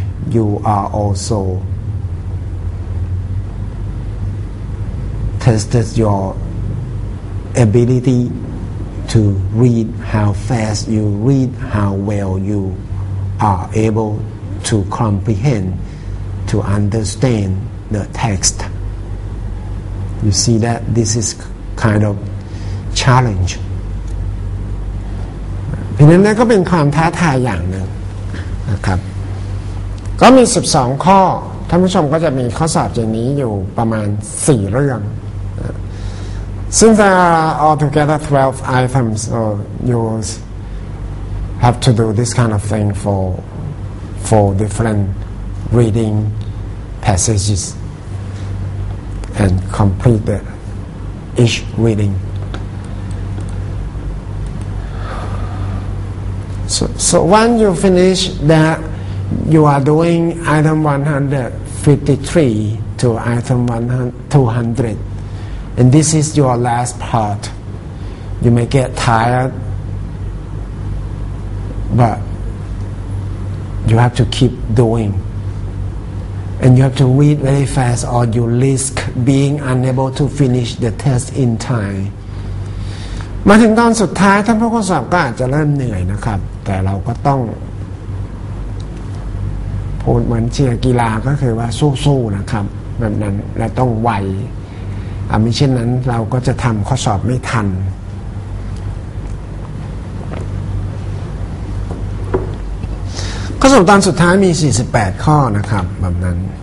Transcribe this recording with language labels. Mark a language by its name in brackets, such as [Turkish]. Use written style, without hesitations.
[English] You are also tested your ability to read, how fast you read, how well you are able to comprehend, to understand the text. You see that this is kind of challenge. [Thai] เพราะฉะนั้นก็เป็นความท้าทายอย่างหนึ่งนะครับก็มี12ข้อท่านผู้ชมก็จะมีข้อสอบอย่างนี้อยู่ประมาณ4เรื่อง [English] Since there are altogether 12 items, so you have to do this kind of thing for different reading passages and complete each reading. So when you finish that, you are doing item 153 to item 200. And this is your last part. You may get tired, but you have to keep doing. And you have to read very fast or you risk being unable to finish the test in time. [Thai] มาถึงตอนสุดท้ายท่านผู้ข้อสอบก็อาจจะเริ่มเหนื่อยนะครับแต่เราก็ต้องพูดเหมือนเชียร์กีฬาก็คือว่าสู้ๆนะครับแบบนั้นและต้องไวไม่เช่นนั้นเราก็จะทำข้อสอบไม่ทันข้อสอบตอนสุดท้ายมี48ข้อนะครับแบบนั้น